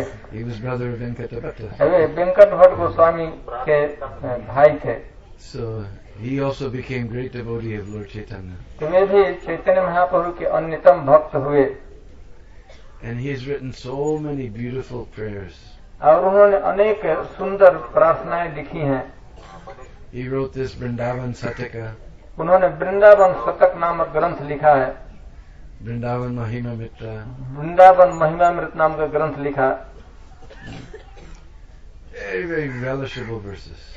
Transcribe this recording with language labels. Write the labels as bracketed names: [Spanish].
[English] He was brother of Venkata Bhatt. [Hindi] Venkata Bhatt Goswami ke bhai the. [English] So he also became great devotee of Lord Chaitanya. [Hindi] Tumhe bhi Chaitanya Mahaprabhu ke annitam bhakt hue. [English] And he has written so many beautiful prayers. [Hindi] और उन्होंने अनेक सुंदर प्रार्थनाएं लिखी हैं। [English] He wrote this Vrindavan Shataka. [Hindi] उन्होंने वृंदावन शतक नामक ग्रंथ लिखा है। वृंदावन महिमा मृत। वृंदावन महिमा मृत नाम का ग्रंथ लिखा। [English] Very, very relishable verses.